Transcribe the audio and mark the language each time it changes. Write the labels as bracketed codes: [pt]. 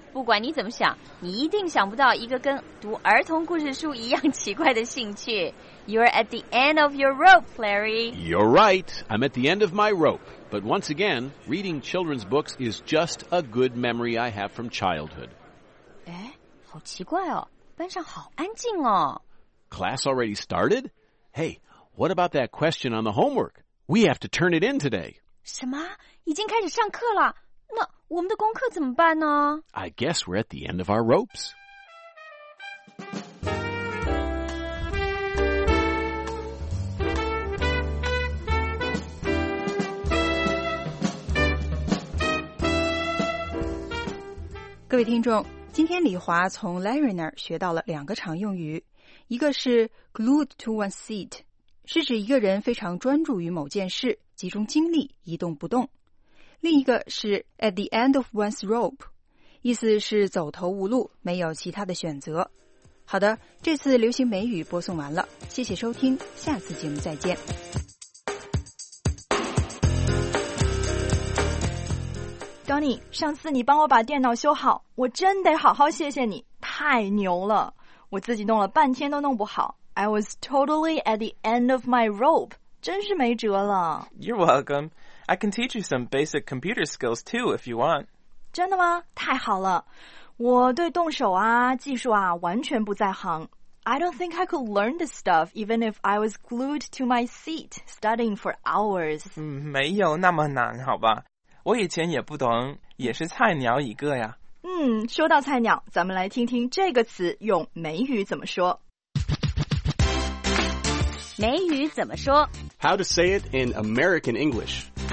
[zh] 不管你怎么想，你一定想不到一个跟读儿童故事书一样奇怪的兴趣。 [en] You're at the end of your rope, Larry. You're right. I'm at the end of my rope. But once again, reading children's books is just a good memory I have from childhood. [zh] 哎，好奇怪哦，班上好安静哦。 [en] Class already started? Hey, what about that question on the homework? We have to turn it in today. [zh] 什么？已经开始上课了？那我们的功课怎么办呢？ [en] I guess we're at the end of our ropes. [zh] 各位听众，今天李华从 Larry 那儿学到了两个常用语，一个是 [en] glued to one seat， [zh] 是指一个人非常专注于某件事，集中精力，一动不动；另一个是 [en] at the end of one's rope， [zh] 意思是走投无路，没有其他的选择。好的，这次流行美语播送完了，谢谢收听，下次节目再见。 Johnny， 上次你帮我把电脑修好，我真得好好谢谢你，太牛了！我自己弄了半天都弄不好。 [en] I was totally at the end of my rope， [zh] 真是没辙了。 [en] You're welcome. I can teach you some basic computer skills too if you want. [zh] 真的吗？太好了！我对动手啊、技术啊完全不在行。 [en] I don't think I could learn this stuff even if I was glued to my seat studying for hours. [zh] 没有那么难，好吧？我以前也不懂，也是菜鸟一个呀。嗯，说到菜鸟，咱们来听听这个词用美语怎么说。美语怎么说 [en] ？How to say it in American English？